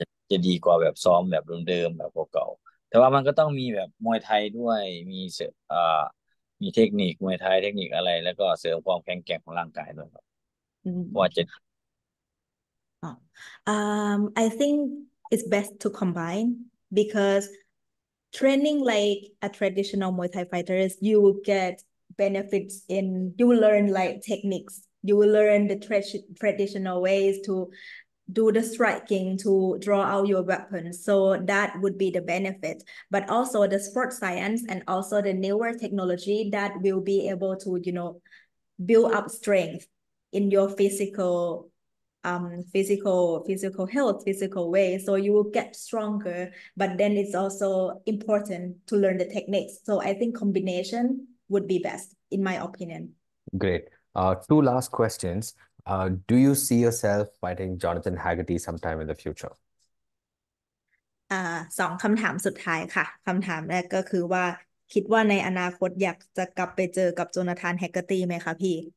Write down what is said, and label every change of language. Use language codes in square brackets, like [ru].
[th] จะดีกว่าแบบซ้อมแบบเดิมแบบเก่าแต่ว่ามันก็ต้องมีแบบมวยไทยด้วยมีเสริมมีเทคนิคมวยไทยเทคนิคอะไรแล้วก็เสริมความแข็งแกร่งของร่างกายด้วยครับว่าจะ [en] I think it's best to combine because training like a traditional Muay Thai fighters, you will get benefits in, you will learn like techniques, you will learn the traditional ways to do the striking, to draw out your weapons. So that would be the benefit. But also the sports science and also the newer technology that will be able to, you know, build up strength in your physical health, physical way, so you will get stronger. But then it's also important to learn the techniques. So I think combination would be best, in my opinion. Great. Two last questions. Do you see yourself fighting Jonathan Haggerty sometime in the future? [th] สองคำถามสุดท้ายค่ะคำถามแรกก็คือว่าคิดว่าในอนาคตอยากจะกลับไปเจอกับโจนาธานแฮกเกอร์ตี้ไหมคะพี่